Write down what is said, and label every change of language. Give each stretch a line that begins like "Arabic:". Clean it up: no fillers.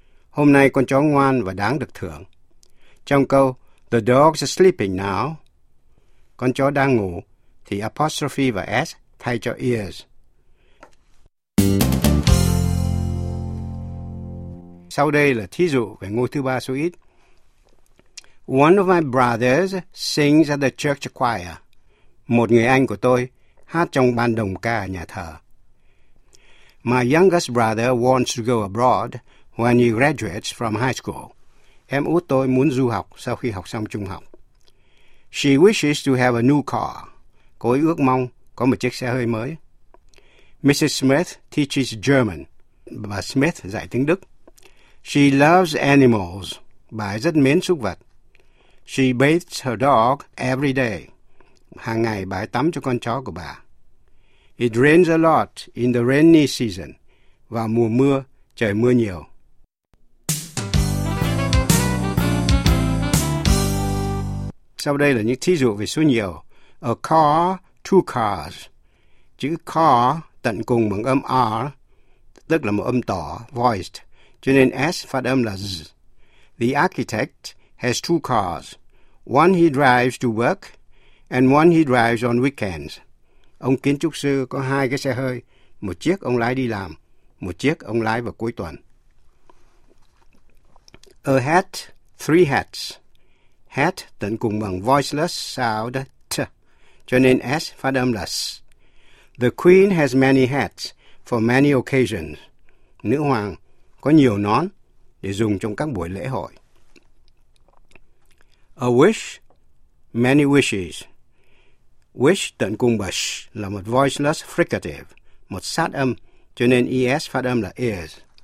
Vietnamese: Hôm nay con chó ngoan và đáng được thưởng. Trong câu
English: The dog's sleeping now,
Vietnamese: con chó đang ngủ, thì apostrophe và S thay cho ears. Sau đây là thí dụ về ngôi thứ ba số ít.
English: One of my brothers sings at the church choir.
Vietnamese: Một người anh của tôi hát trong ban đồng ca nhà thờ.
English: My youngest brother wants to go abroad when he graduates from high school.
Vietnamese: Em út tôi muốn du học sau khi học xong trung học.
English: She wishes to have a new car.
Vietnamese: Cô ấy ước mong có một chiếc xe hơi mới.
English: Mrs. Smith teaches German.
Vietnamese: Bà Smith dạy tiếng Đức.
English: She loves animals.
Vietnamese: Bà ấy rất mến súc vật.
English: She bathes her dog every day.
Vietnamese: Hàng ngày bà ấy tắm cho con chó của bà.
English: It rains a lot in the rainy season.
Vietnamese: Vào mùa mưa, trời mưa nhiều. Sau đây là những thí dụ về số nhiều.
English: A car, two cars.
Vietnamese: Chữ car tận cùng bằng âm R, tức là một âm tỏ, voiced, cho nên S phát âm là Z.
English: The architect has two cars. One he drives to work and one he drives on weekends.
Vietnamese: Ông kiến trúc sư có hai cái xe hơi, một chiếc ông lái đi làm, một chiếc ông lái vào cuối tuần.
English: A hat, three hats.
Vietnamese: Hat tận cùng bằng voiceless sound T, cho nên S phát âm là S.
English: The queen has many hats for many occasions.
Vietnamese: Nữ hoàng có nhiều nón để dùng trong các buổi lễ hội.
English: A wish, many wishes.
Vietnamese: Wish tận cùng bằng sh là một voiceless fricative, một sát âm, cho nên ES phát âm là ears.